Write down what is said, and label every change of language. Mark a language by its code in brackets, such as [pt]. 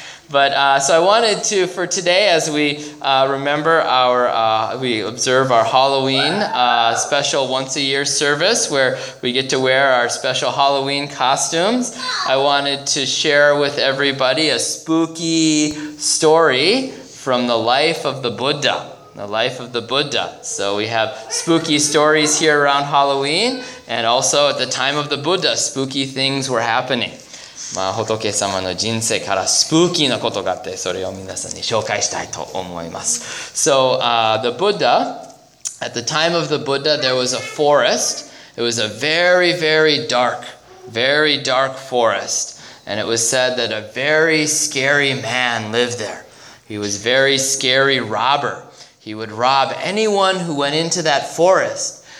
[en] But so I wanted to, for today, as we remember our, we observe our Halloween special once a year service where we get to wear our special Halloween costumes, I wanted to share with everybody a spooky story from the life of the Buddha. So we have spooky stories here around Halloween, and also at the time of the Buddha, spooky things were happening. [ja] まあ、仏様の人生からスプーキーなことがあって、それを皆さんに紹介したいと思います。 [en] So, the Buddha, at the time of the Buddha, there was a forest. It was a very, very dark forest. And it was said that a very scary man lived there. He was a very scary robber. He would rob anyone who went into that forest.